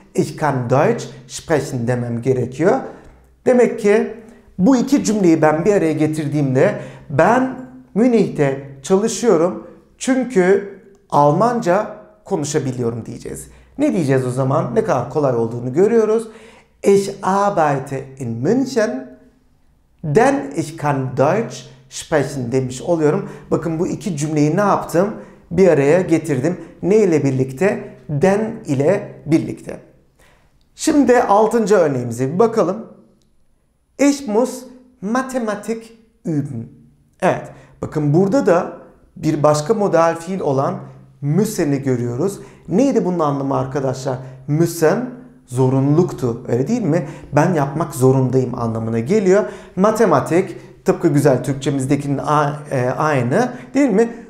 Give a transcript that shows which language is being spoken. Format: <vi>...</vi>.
<de>Ich kann Deutsch sprechen</de> <tr>demem gerekiyor. Demek ki bu iki cümleyi ben bir araya getirdiğimde ben Münih'te çalışıyorum çünkü Almanca konuşabiliyorum diyeceğiz. Ne diyeceğiz o zaman? Ne kadar kolay olduğunu görüyoruz.</tr> <de>Ich arbeite in München, denn ich kann Deutsch sprechen</de> <tr>demiş oluyorum. Bakın bu iki cümleyi ne yaptım? Bir araya getirdim. Ne ile birlikte? Denn ile birlikte. Şimdi altıncı örneğimize bir bakalım.</tr> <de>Ich muss Mathematik üben.</de> <tr>Evet, bakın burada da bir başka modal fiil olan müssen'i görüyoruz. Neydi bunun anlamı arkadaşlar? Müssen zorunluluktu. Öyle değil mi? Ben yapmak zorundayım anlamına geliyor. Matematik tıpkı güzel Türkçemizdekinin aynı değil mi?</tr>